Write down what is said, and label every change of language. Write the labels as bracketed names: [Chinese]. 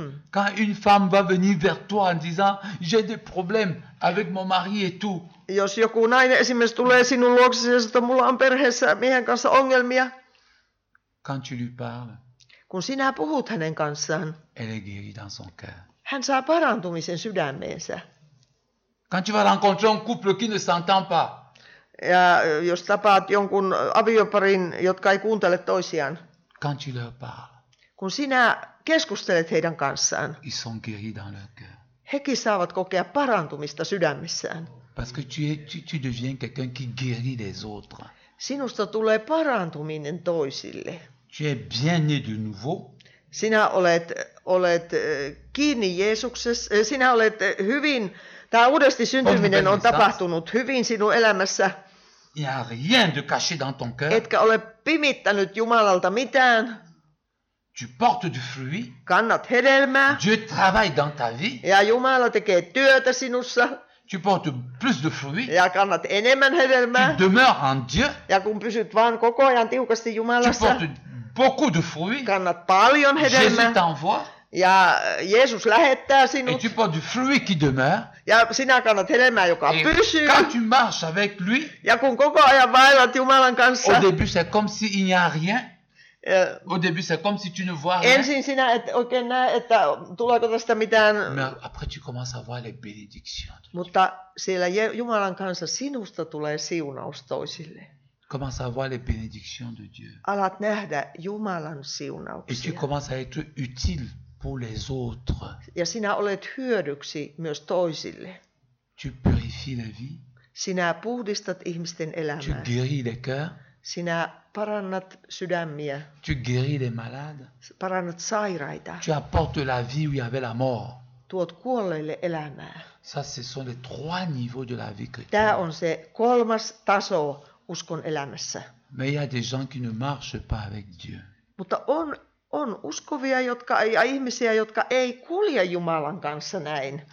[French] Quand une femme va venir vers toi en disant j'ai des problèmes avec mon mari et tout. [Finnish] Jos joku nainen esimerkiksi tulee sinun luoksesi ja sanoo, että mulla on perheessä miehen kanssa ongelmia. [French] Quand tu lui parles, [Finnish] kun sinä puhut hänen kanssaan, [French] elle est guérie dans son cœur. [Finnish] Hän saa parantumisen sydämeensä. [French] Quand tu vas rencontrer un couple qui ne s'entend pas. [Finnish] Ja jos tapaat jonkun avioparin, jotka ei kuuntele toisiaan. [French] Quand tu leur parles, [Finnish] kun sinä keskustelet heidän kanssaan. [French] Ils sont guéris dans leur cœur. [Finnish] Hekin saavat kokea parantumista sydämissään. [French] Parce que tu deviens quelqu'un qui guérit les autres. [Finnish] Sinusta tulee parantuminen toisille. [French] Tu es bien né de nouveau. [Finnish] Sinä olet kiinni Jeesuksessa. Sinä olet hyvin, tämä uudesti syntyminen on tapahtunut hyvin sinun elämässä. [French] Il n'y a rien de caché dans ton cœur. [Finnish] Etkä ole pimittänyt Jumalalta mitään. [French] Tu portes du fruit. [Finnish] Kannat hedelmää. [French] Dieu travaille dans ta vie. [Finnish] Ja Jumala tekee työtä sinussa. [French] Tu portes plus de fruits. [Finnish] Ja kannat enemmän hedelmää. [French] Tu demeures en Dieu. [Finnish] Ja kun pysyt vaan koko ajan tiukasti Jumalassa. [French] Tu portes beaucoup de fruits. [Finnish] Kannat paljon hedelmää. [French] Jésus t'envoie. [Finnish] Ja Jeesus lähettää sinut. [French] Et tu portes du fruit qui demeure. [Finnish] Ja sinä kannat hedelmää, joka [French] et [Finnish] pysyy. [French] Quand tu marches avec lui. [Finnish] Ja kun koko ajan vaellat Jumalan kanssa. [French] Au début, c'est comme si il n'y a rien. Au début, c'est comme si tu ne vois rien. [Finnish] Ensin sinä et oikein näe, että tuleeko tästä mitään. [French] Mais après, tu commences à voir les bénédictions. [Finnish] Mutta siellä Jumalan kanssa sinusta tulee siunaus toisille. [French] Commence à voir les bénédictions de Dieu. [Finnish] Alat nähdä Jumalan siunauksia. [French] Et tu commences à être utile pour les autres. [Finnish] Ja sinä olet hyödyksi myös toisille. [French] Tu purifies la vie. [Finnish] Sinä puhdistat ihmisten elämää. [French] Tu guéris les cœurs. [Finnish] Sinä parannat sydämiä. [French] Tu guéris les malades. [Finnish] Parannat sairaita. [French] Tu apportes la vie où il y avait la mort. [Finnish] Tuot kuolleille elämää. [French] Ça, ce sont les trois niveaux de la vie chrétienne. [Finnish] Tämä on se kolmas taso uskon elämässä. [French] Mais il y a des gens qui ne marchent pas avec Dieu. [Finnish] Mutta on uskovia, jotka, ja ihmisiä, jotka ei kulje Jumalan kanssa näin.